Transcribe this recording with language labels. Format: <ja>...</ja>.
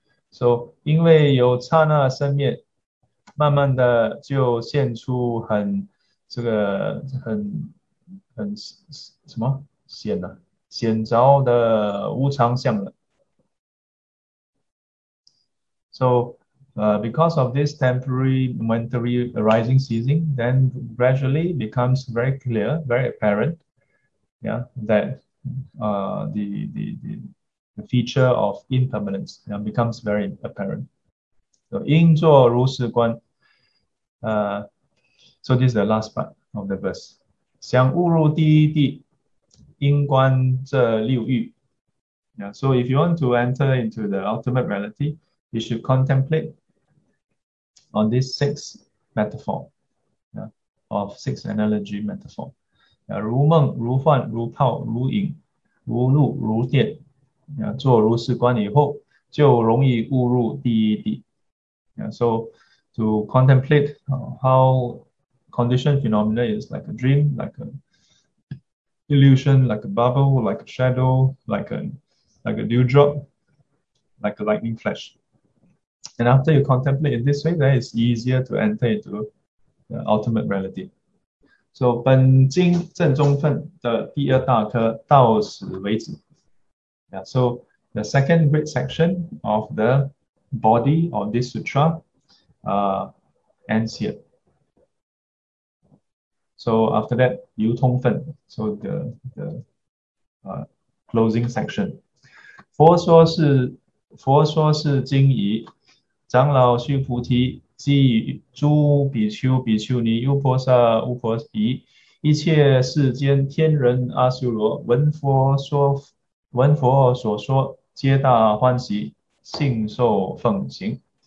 <en>So</en> <zh>因为有刹那生灭, 慢慢的就现出很 这个很什么显呢？显着的无常相了。</zh> <en>So because of this temporary momentary arising ceasing, then gradually becomes very clear, very apparent. That the feature of impermanence becomes very apparent. So</en> <zh>应作如是观.</zh> <en>So this is the last part of the verse.</en> <zh>想悟入第一谛，应观这六欲.</zh> <en>So if you want to enter into the ultimate reality, you should contemplate on this six metaphor, of six analogy metaphor.</en> <zh>如梦如幻如泡如影如露如电，做如是观以后，就容易误入第一谛。</zh> <en>So to contemplate how conditioned phenomena is like a dream, like an illusion, like a bubble, like a shadow, like a dewdrop, like a lightning flash. And after you contemplate in this way, then it's easier to enter into the ultimate reality. So,</en> <zh>本经正中分的第二大科到此为止。</zh> <en>So, the second great section of the body of this sutra ends here. So, after that,</en> <zh>流通分,</zh> <en>so the closing section.</en> <zh>佛说是经已，长老须菩提。即诸比丘、比丘尼、优婆塞、乌婆夷，一切世间天人阿修罗，闻佛所说，皆大欢喜，信受奉行。</zh>